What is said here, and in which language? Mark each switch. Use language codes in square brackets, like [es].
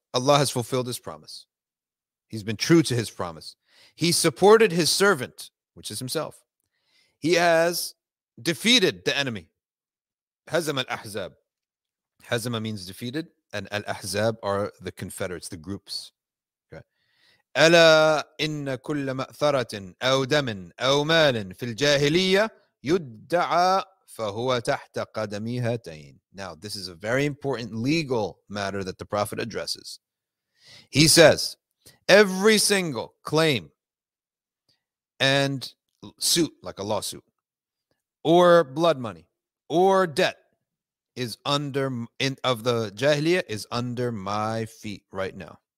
[en] Allah has fulfilled his promise. He's been true to his promise. He supported his servant, which is himself. He has defeated the enemy. [ar] Hazam al-Ahzab. [en] Hazama means defeated, and al-Ahzab are the confederates, the groups. [ar] ألا إن كل مأثرة أو دم أو مال في الجاهلية يدعى فهو تحت قدمي هاتين. [en] Now, this is a very important legal matter that the Prophet addresses. He says, every single claim and suit, like a lawsuit, or blood money, or debt, is under my feet right now.